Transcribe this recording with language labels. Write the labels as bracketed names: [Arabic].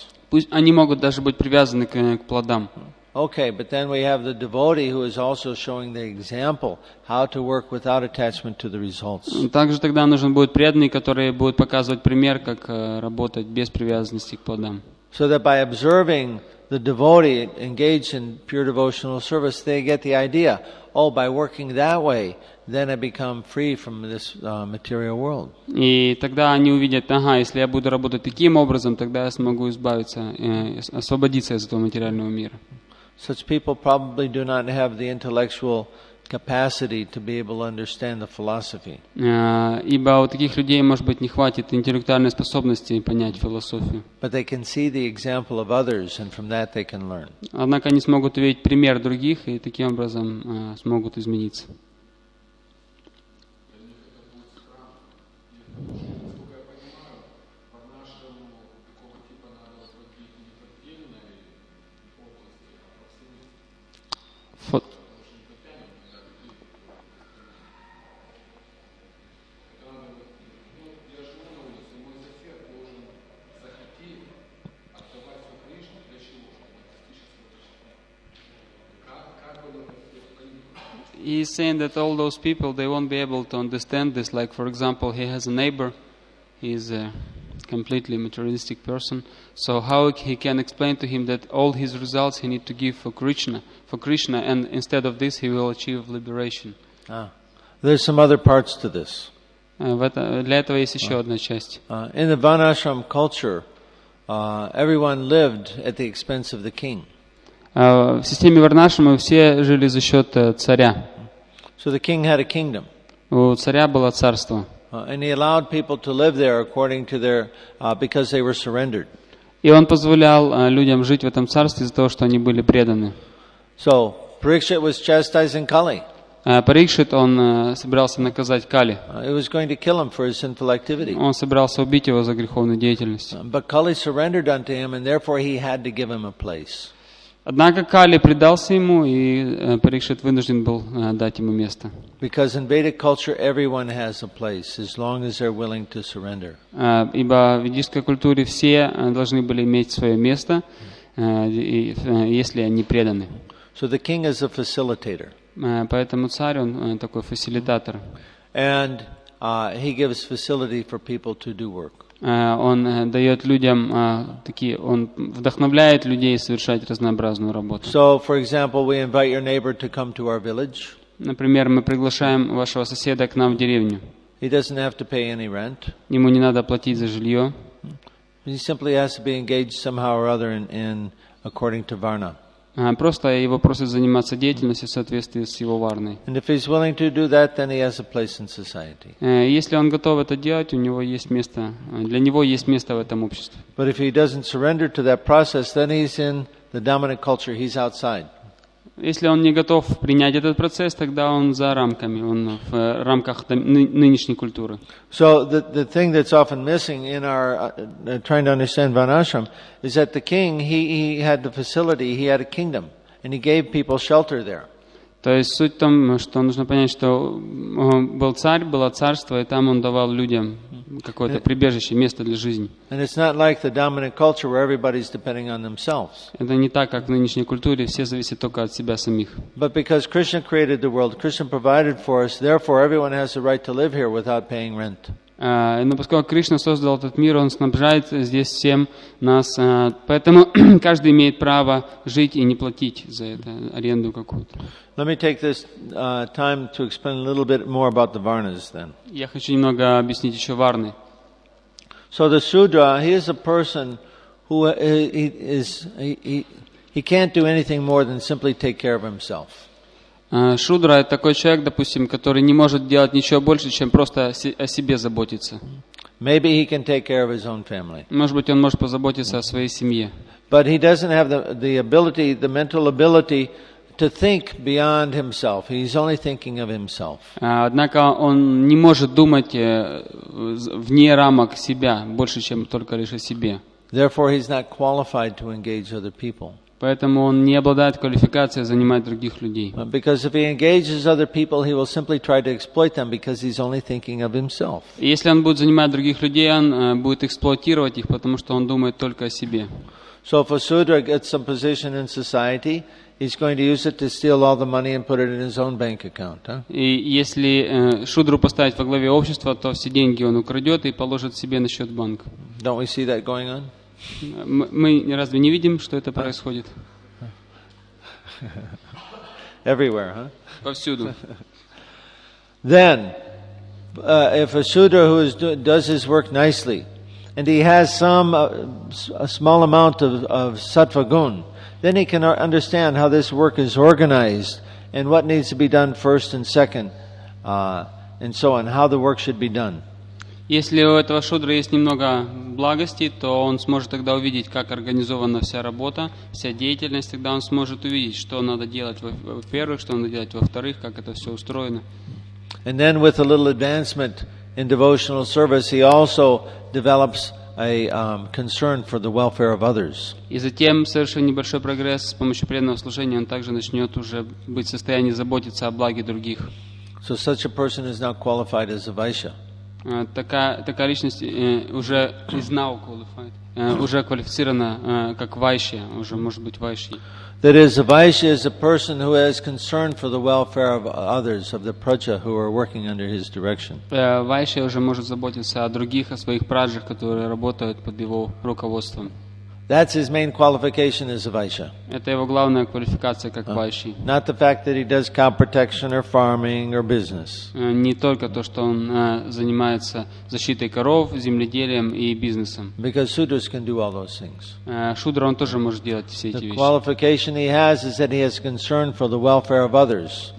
[Russian] Пусть они могут даже быть привязаны к плодам. [English] Okay, but then we have the devotee who is also showing the example how to work without attachment to the results. [Russian] Также тогда нужен будет преданный, который будет показывать пример, как работать без привязанности к плодам. [English] So that by observing the devotee engaged in pure devotional service, they get the idea, oh, by working that way, then I become free from this material world. [Russian] И тогда они увидят, ага, если я буду работать таким образом, тогда я смогу избавиться, освободиться из этого материального мира. [English] Such people probably do not have the intellectual capacity to be able to understand the philosophy. [Russian] Ибо у таких людей, может быть, не хватит интеллектуальной способности понять философию. [English] But they can see the example of others, and from that they can learn. [Russian] Однако они смогут увидеть пример других и таким образом смогут измениться. [English] He is saying that all those people, they won't be able to understand this. Like, for example, he has a neighbor. He is a completely materialistic person. So how he can explain to him that all his results he need to give for Krishna, and instead of this, he will achieve liberation. There's some other parts to this. [Russian] Для этого есть еще одна часть. [English] In the Vanashram culture, everyone lived at the expense of the king. [Russian] В системе Варнашрама все жили за счет царя. [English] So the king had a kingdom. [Russian] У царя было царство. [English] And he allowed people to live there according to their because they were surrendered. [Russian] И он позволял людям жить в этом царстве из-за того, что они были преданы. [English] So Parikshit was chastising Kali. [Russian] Парикшит он собирался наказать Кали. [English] He was going to kill him for his sinful activity. [Russian] Он собирался убить его за греховную деятельность. [English] But Kali surrendered unto him, and therefore he had to give him a place. [Russian] Однако Кали предался ему, и Парикшит вынужден был дать ему место. [English] Because in Vedic culture everyone has a place as long as they're willing to surrender. [Russian] Ибо в ведической культуре все должны были иметь свое место, если они преданы. [English] So the king is a facilitator. [Russian] Поэтому царь он такой фасилитатор. [English] And he gives facility for people to do work. [Russian] Он дает людям такие, он вдохновляет людей совершать разнообразную работу. [English] So, for example, we invite your neighbor to come to our village. [Russian] Например, мы приглашаем вашего соседа к нам в деревню. [English] He doesn't have to pay any rent. [Russian] Ему не надо платить за жилье. [English] He simply has to be engaged somehow or other in according to Varna. [Russian] Просто его просят заниматься деятельностью в соответствии с его варной. [English] And if he's willing to do that, then he has a place in society. [Russian] Если он готов это делать, у него есть место, для него есть место в этом обществе. [English] But if he doesn't surrender to that process, then he's in the dominant culture, he's outside. [Russian] Если он не готов принять этот процесс, тогда он за рамками, он в рамках нынешней культуры. [English] So the thing that's often missing in our trying to understand Vanashram is that the king, he had the facility, he had a kingdom, and he gave people shelter there. [Russian] То есть суть в том, что нужно понять, что был царь, было царство, и там он давал людям какое-то прибежище, место для жизни. [English] And it's not like the dominant culture where everybody's depending on themselves. [Russian] Это не так, как в нынешней культуре, все зависят только от себя самих. [English] But because Krishna created the world, Krishna provided for us, therefore everyone has the right to live here without paying rent. [Russian] Но поскольку Кришна создал этот мир, он снабжает здесь всем нас, поэтому каждый имеет право жить и не платить за это аренду какую-то. [English] Let me take this time to explain a little bit more about the Varnas then. [Russian] Я хочу немного объяснить еще Варны. [English] So the Sudra, he is a person who he can't do anything more than simply take care of himself. [Russian] Шудра — это такой человек, допустим, который не может делать ничего больше, чем просто о себе заботиться. [English] Maybe he can take care of his own family. [Russian] Может быть, он может позаботиться о своей семье. [English] But he doesn't have the ability, the mental ability to think beyond himself. He's only thinking of himself. [Russian] Однако он не может думать вне рамок себя, больше, чем только лишь о себе. [English] Therefore, he's not qualified to engage other people. [Russian] Поэтому он не обладает квалификацией занимать других людей. [English] Because if he engages other people, he will simply try to exploit them because he's only thinking of himself. [Russian] Если он будет занимать других людей, он будет эксплуатировать их, потому что он думает только о себе. [English] So if a Sudra gets some position in society, he's going to use it to steal all the money and put it in his own bank account. [Russian] И если Шудру поставить во главе общества, то все деньги он украдет и положит себе на счет банк. [English] Don't we see that going on? [Russian] Мы разве не видим, что это происходит? [English] Everywhere, huh? [Russian] Повсюду. [English] Then, if a sutra who is does his work nicely, and he has some a small amount of sattva-gun, then he can understand how this work is organized and what needs to be done first and second, and so on, how the work should be done. [Russian] Если у этого шудры есть немного благости, то он сможет тогда увидеть, как организована вся работа, вся деятельность, тогда он сможет увидеть, что надо делать во-первых, что надо делать во-вторых, как это все устроено. [English] And then with a little advancement in devotional service, he also develops a concern for the welfare of others. [Russian] И затем, совершив небольшой прогресс с помощью преданного служения, он также начнет уже быть в состоянии заботиться о благе других. [English] So such a person is now qualified as a Vaishya. [Russian] Такая личность уже [English] is now qualified, [Russian] уже квалифицирована как Вайшья, уже может быть Вайшья. [English] That is, a Vaishya is a person who has concern for the welfare of others, of the praja who are working under his direction. [Russian] Вайшья уже может заботиться о других, о своих праджах, которые работают под его руководством. [English] That's his main qualification as a Vaishya. [Russian] Это его главная квалификация как Вайшьи. [English] Not the fact that he does cow protection or farming or business. [Russian] Не только то, что он занимается защитой коров, земледелием и бизнесом. [English] Because sudras can do all those things. [Russian] Шудра он тоже может делать все эти вещи. [English] The qualification he has is that he has concern for the welfare of others.